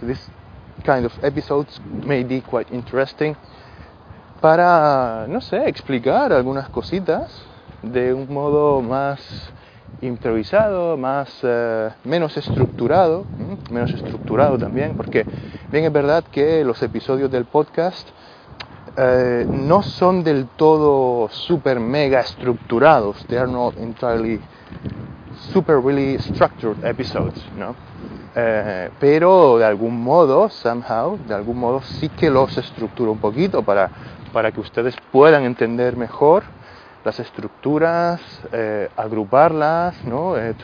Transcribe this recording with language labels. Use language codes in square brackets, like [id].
[en] This kind of episodes may be quite interesting [es] para, no sé, explicar algunas cositas de un modo más improvisado, más menos estructurado también, porque bien es verdad que los episodios del podcast no son del todo super mega estructurados. [en] They are not entirely super really structured episodes, [es] ¿no? Pero de algún modo sí que los estructuro un poquito para que ustedes puedan entender mejor las estructuras, agruparlas, ¿no?